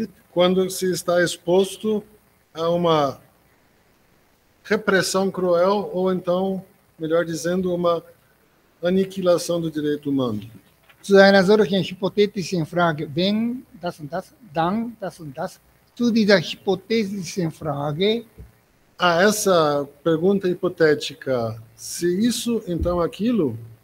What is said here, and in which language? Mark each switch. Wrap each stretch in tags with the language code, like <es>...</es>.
<pt>quando se está exposto a uma repressão cruel, ou então, melhor dizendo, uma aniquilação do direito humano.</pt> <de>Zu einer solchen hypothetischen Frage, wenn das und das, dann das und das, zu dieser hypothetischen Frage.</de> <pt>A essa pergunta hipotética, se isso, então aquilo.</pt>